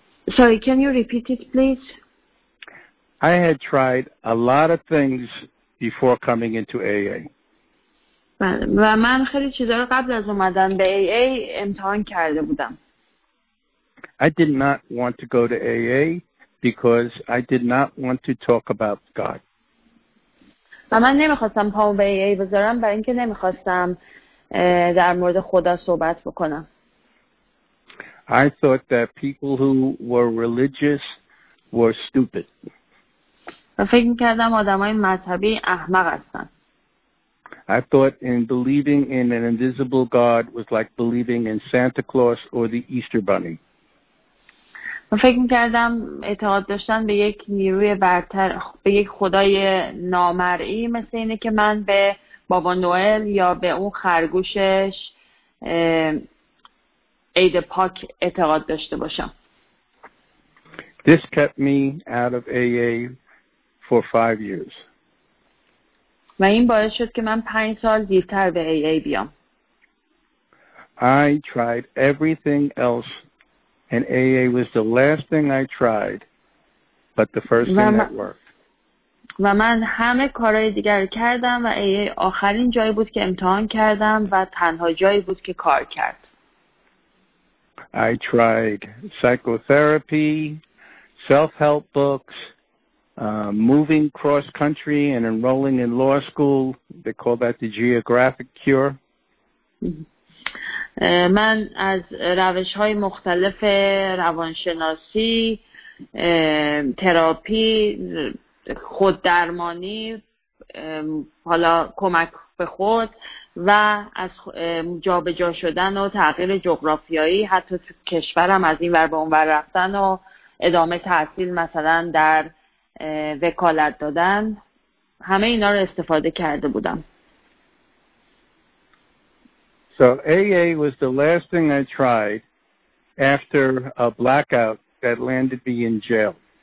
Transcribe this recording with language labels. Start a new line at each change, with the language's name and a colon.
English: Sorry, can you repeat it, please? I had tried a lot of things before coming into AA.
Persian: و من خیلی چیزا رو قبل از اومدن به AA امتحان کرده بودم.
English: I did not want to go to AA because I did not want to talk about God.
Persian: و من نمیخواستم پامو به AA بذارم برای اینکه نمیخواستم در مورد خدا صحبت بکنم.
English: I thought that people who were religious were stupid.
Persian: و فکر میکردم آدم های مذهبی احمق هستن.
English: I thought in believing in an invisible God was like believing in Santa Claus or the Easter Bunny.
Persian: و فکر میکردم اعتقاد داشتن به یک نیروی برتر، به یک خدای نامرئی مثل اینه که من به بابا نوئل یا به اون خرگوشش عید پاک اعتقاد داشته باشم.
English: This kept me out of AA for 5 years.
Persian: و این باعث شد که من 5 سال دیرتر به AA بیام.
English: I tried everything else and AA was the last thing I tried, but the first thing that worked.
Persian: و من همه کارهای دیگر کردم و AA آخرین جایی بود که امتحان کردم و تنها جایی بود که کار کرد.
English: I tried psychotherapy, self-help books, moving cross country and enrolling in law school. They call that the geographic cure.
Persian: من از روش‌های مختلف روانشناسی، تراپی، خوددرمانی، حالا کمک به خود و از جا به جا شدن و تغییر جغرافیایی، حتی کشورم از این ور به اون ور رفتن و ادامه تحصیل مثلا در وکالت دادن، همه اینا رو استفاده کرده بودم.
English: So AA was the last thing I tried after a blackout that landed me in jail.